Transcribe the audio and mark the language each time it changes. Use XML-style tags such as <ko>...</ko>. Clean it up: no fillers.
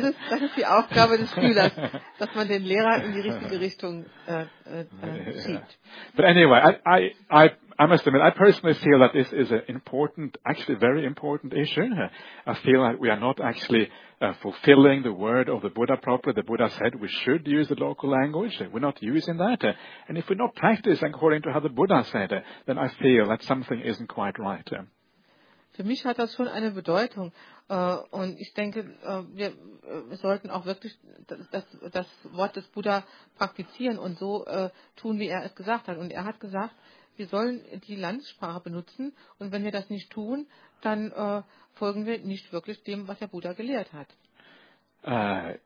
<de>Das ist die Aufgabe des Schülers, dass man den Lehrer in die richtige Richtung schiebt.</de> <en>But anyway, I must admit, I personally feel that this is an important, actually very important issue. I feel that we are not actually fulfilling the word of the Buddha properly. The Buddha said we should use the local language. We're not using that. And if we're not practicing according to how the Buddha said, then I feel that something isn't quite right.</en> <de>Für mich hat das schon eine Bedeutung. Und ich denke, wir sollten auch wirklich das Wort des Buddha praktizieren und so tun, wie er es gesagt hat. Und er hat gesagt, wir sollen die Landessprache benutzen und wenn wir das nicht tun, dann folgen wir nicht wirklich dem, was der Buddha gelehrt hat.</de>